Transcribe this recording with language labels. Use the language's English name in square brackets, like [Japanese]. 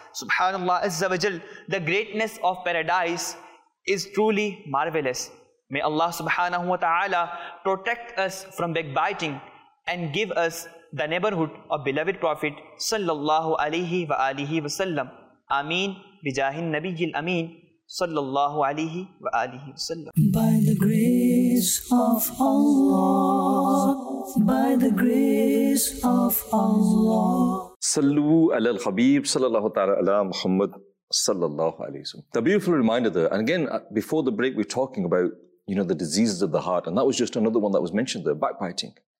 [Arabic] Subhanallah azza wa jal, [English] the greatness of paradise is truly marvelous. May Allah [Arabic] subhanahu wa ta'ala [English] protect us from backbiting and give us the neighborhood of beloved Prophet [Arabic] sallallahu alaihi wa alihi wasallam. [English] Ameen. [Arabic] بجاه النبي الأمين صلى الله عليه وآله وسلم. [English] By the grace of Allah, by the grace of Allah. [Arabic] صلوا على الحبيب صلى الله تعالى على محمد صلى الله عليه وسلم. [English] The beautiful reminder there, and again, before the break, we're talking about, you know, the diseases of the heart, and that was just another one that was mentioned there, backbiting.